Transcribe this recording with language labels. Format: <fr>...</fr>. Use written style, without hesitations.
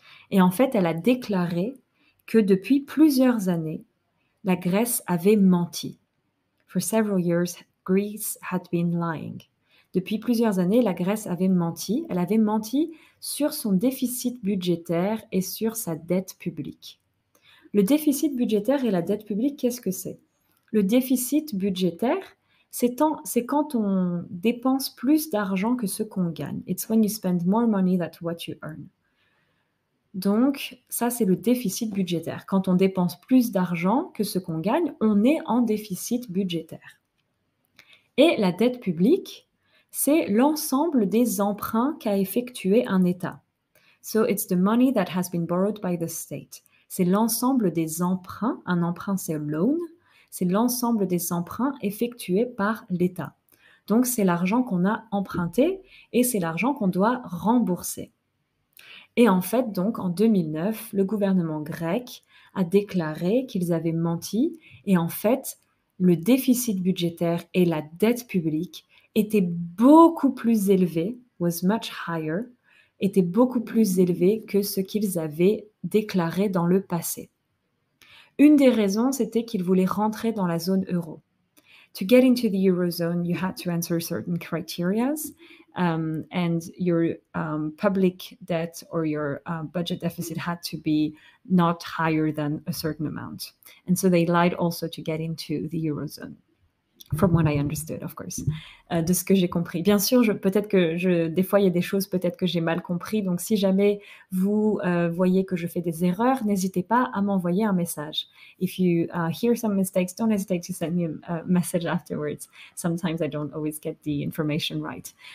<fr>Et en fait, elle a déclaré que depuis plusieurs années, la Grèce avait menti.</fr> <en>For several years, Greece had been lying.</en> <fr>Depuis plusieurs années, la Grèce avait menti. Elle avait menti sur son déficit budgétaire et sur sa dette publique. Le déficit budgétaire et la dette publique, qu'est-ce que c'est? Le déficit budgétaire, c'est quand on dépense plus d'argent que ce qu'on gagne.</fr> <en>It's when you spend more money than what you earn.</en> <fr>Donc, ça, c'est le déficit budgétaire. Quand on dépense plus d'argent que ce qu'on gagne, on est en déficit budgétaire. Et la dette publique, c'est l'ensemble des emprunts qu'a effectué un État.</fr> <en>So, it's the money that has been borrowed by the state.</en> <fr>C'est l'ensemble des emprunts. Un emprunt, c'est loan. C'est l'ensemble des emprunts effectués par l'État. Donc, c'est l'argent qu'on a emprunté et c'est l'argent qu'on doit rembourser. Et en fait, donc, en 2009, le gouvernement grec a déclaré qu'ils avaient menti. Et en fait, le déficit budgétaire et la dette publique étaient beaucoup plus élevés,</fr> <en>was much higher,</en> <fr>étaient beaucoup plus élevés que ce qu'ils avaient déclaré dans le passé. Une des raisons, c'était qu'ils voulaient rentrer dans la zone euro.</fr> <en>To get into the eurozone, you had to answer certain criteria. And your public debt or your budget deficit had to be not higher than a certain amount. And so they lied also to get into the eurozone, from what I understood, of course,</en> <fr>de ce que j'ai compris. Bien sûr, des fois, il y a des choses peut-être que j'ai mal compris. Donc, si jamais vous voyez que je fais des erreurs, n'hésitez pas à m'envoyer un message.</fr> <en>If you hear some mistakes, don't hesitate to send me a message afterwards. Sometimes I don't always get the information right.</en>